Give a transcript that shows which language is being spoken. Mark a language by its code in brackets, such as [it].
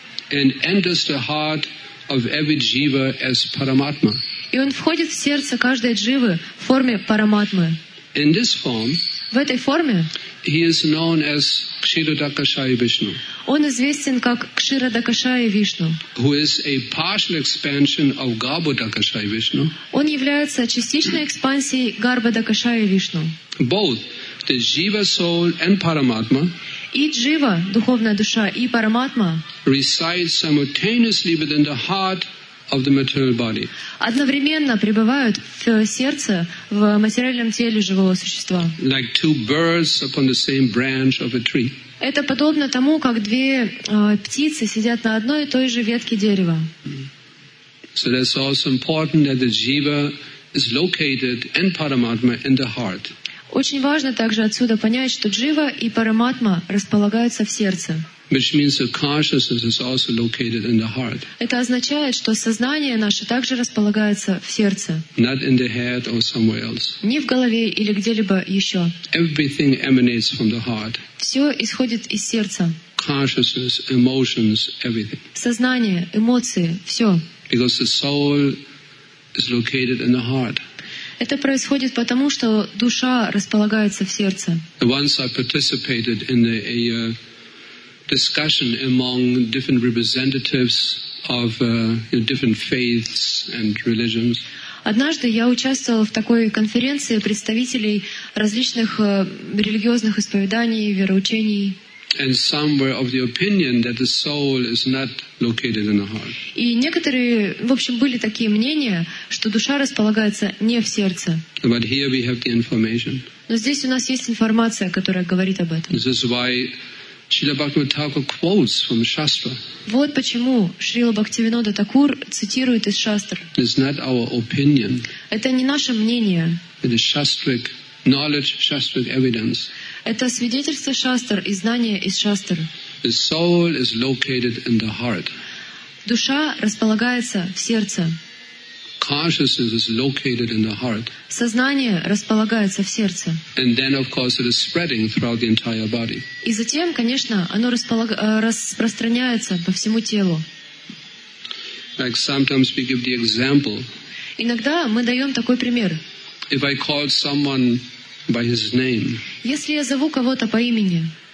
[en] And enters the heart of every jiva as Paramatma. [ru] И он входит в сердце каждой дживы в форме Параматмы. [en] In this form, [ru] в этой форме, [en] he is known as Kshira Dakshaya Vishnu. [ru] Он известен как Кшира Дакшая Вишну. [en] Who is a partial expansion of Garbo Dakshaya Vishnu. [ru] Он является частичной экспансией Garbo Dakshaya Vishnu. [en] Both the jiva soul and Paramatma. [ru] И джива, духовная душа, и параматма [en] reside simultaneously within the heart of the material body. [ru] Одновременно пребывают в сердце, в материальном теле живого существа. [en] Like two birds upon the same branch of a tree. [ru] Это подобно тому, как две птицы сидят на одной и той же ветке дерева. [en] So that's also important that the jiva is located in Paramatma in the heart. [ru] Очень важно также отсюда понять, что джива и параматма располагаются в сердце. [en] Which means that consciousness is also located in the heart. [ru] Это означает, что сознание наше также располагается в сердце. [en] Not in the head or somewhere else. [ru] Не в голове или где-либо еще. [en] Everything emanates from the heart. [ru] Все исходит из сердца. [en] Consciousness, emotions, everything. [ru] Сознание, эмоции, все. [en] Because the soul is located in the heart. [ru] Это происходит потому, что душа располагается в сердце. [en] Once I participated in a discussion among different representatives of different faiths and religions. [ru] Однажды я участвовала в такой конференции представителей различных религиозных исповеданий и вероучений. [en] And some were of the opinion that the soul is not located in the heart. [ru] И некоторые, в общем, были такие мнения, что душа располагается не в сердце. [en] But here we have the information. [ru] Но здесь у нас есть информация, которая говорит об этом. [en] This is why Srila Bhaktivinoda Thakur quotes from Shastra. [ru] Вот почему Шрила Бхактивинода Такур цитирует из Шастр. [en] It's not our opinion. [ru] Это не наше мнение. [en] It is shastric knowledge, shastric evidence. [ru] Это свидетельство шастр и знание из шастр. [en] The soul is located in the heart. [ru] Душа располагается в сердце. [en] Consciousness is located in the heart. [ru] Сознание располагается в сердце. [en] And then, of course, it is spreading throughout the entire body. [ru] И затем, конечно, оно распространяется по всему телу. [en] Like sometimes we give the example. [ru] Иногда мы даем такой пример. [en] If I call someone by his name. [ru] Если я зову кого-то по имени.